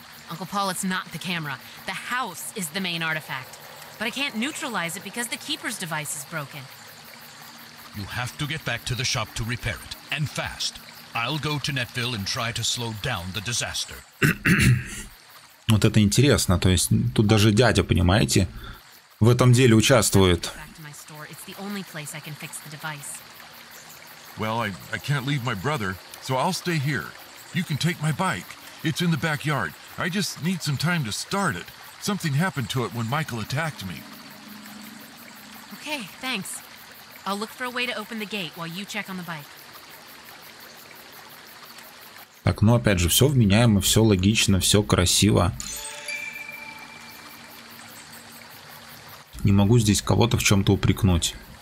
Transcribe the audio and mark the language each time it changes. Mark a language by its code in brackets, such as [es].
[en] Uncle Paul, it's not the camera. The house is the main artifact. But I can't neutralize it because the keeper's device is broken. You have to get back to the shop to repair it. And fast. I'll go to Netville and try to slow down the disaster. [ru] Вот это интересно. То есть тут даже дядя, понимаете, в этом деле участвует. [en] It's the only place I can fix the device. Well, I can't leave my brother, so I'll stay here. You can take my bike. It's in the backyard. I just need some time to start it. Something happened to it when Michael attacked me. Okay, thanks. I'll look for a way to open the gate while you check on the bike. [ru] Так, ну опять же, все вменяемо, все логично, все красиво. Не могу здесь кого-то в чем-то упрекнуть.